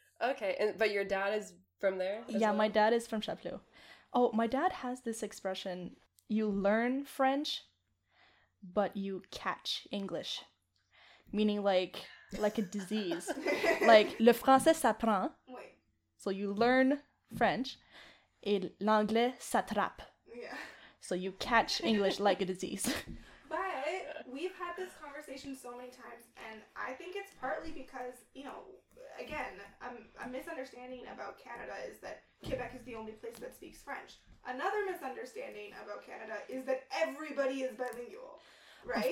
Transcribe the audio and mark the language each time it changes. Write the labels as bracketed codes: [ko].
[en] Okay, but your dad is from there? Yeah, well? My dad is from Chapleau. Oh, my dad has this expression, you learn French, but you catch English. Meaning like a disease. Like, [fr] le français s'apprend. [en] So you learn French, [fr] et l'anglais s'attrape. [en] Yeah. So you catch English like a disease. But we've had this conversation so many times, and I think it's partly because, you know, again, a misunderstanding about Canada is that Quebec is the only place that speaks French. Another misunderstanding about Canada is that everybody is bilingual, right?